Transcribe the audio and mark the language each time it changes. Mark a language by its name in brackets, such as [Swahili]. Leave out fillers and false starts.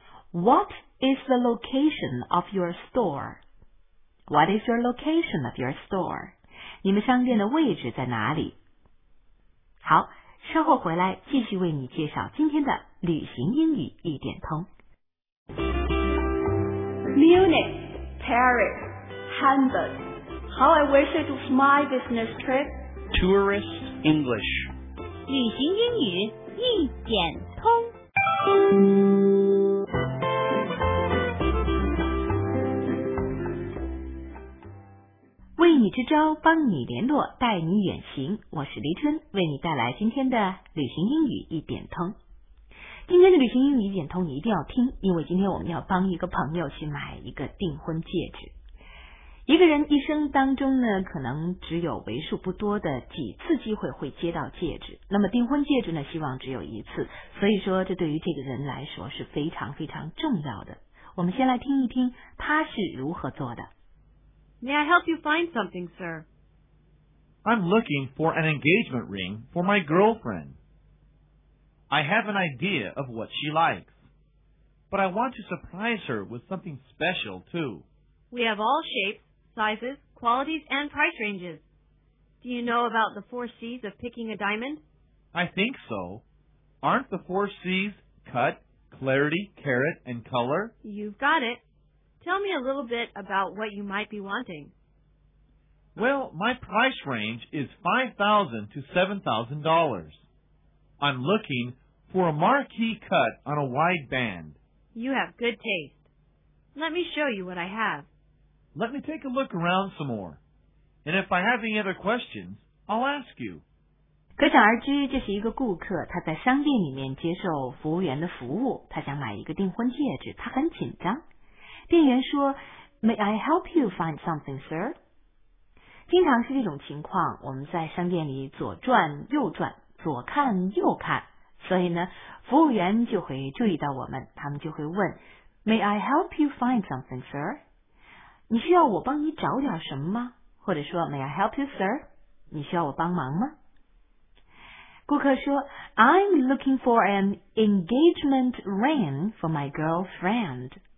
[English] What is the location of your store? What is your location of your store? [Chinese] 你们商店的位置在哪里？好，稍后回来继续为你介绍今天的旅行英语一点通。 [English] Munich, Paris, Hamburg. How I wish it was my business trip. Tourist English. [Chinese] 旅行英语一点通。为你支招，帮你联络，带你远行。我是黎春，为你带来今天的旅行英语一点通。今天的旅行英语一点通你一定要听，因为今天我们要帮一个朋友去买一个订婚戒指。一个人一生当中呢，可能只有为数不多的几次机会会接到戒指，那么订婚戒指呢，希望只有一次，所以说这对于这个人来说是非常非常重要的。我们先来听一听他是如何做的。 [English] May I help you find something, sir? I'm looking for an engagement ring for my girlfriend. I have an idea of what she likes, but I want to surprise her with something special, too. We have all shapes, sizes, qualities, and price ranges. Do you know about the four C's of picking a diamond? I think so. Aren't the four C's cut, clarity, carat, and color? You've got it. Tell me a little bit about what you might be wanting. Well, my price range is $5,000 to $7,000. I'm looking for a marquee cut on a wide band. You have good taste. Let me show you what I have. Let me take a look around some more. And if I have any other questions, I'll ask you. [Chinese] 可想而知，这是一个顾客，他在商店里面接受服务员的服务，他想买一个订婚戒指，他很紧张。店员说 [English] ,May I help you find something, sir? [Chinese] 经常是这种情况，我们在商店里左转右转，左看右看，所以呢，服务员就会注意到我们，他们就会问 , [English] May I help you find something, sir? [Chinese] 你需要我帮你找点什么吗？或者说 , [English] May I help you, sir? [Chinese] 你需要我帮忙吗？顾客说 [English] ,I'm looking for an engagement ring for my girlfriend.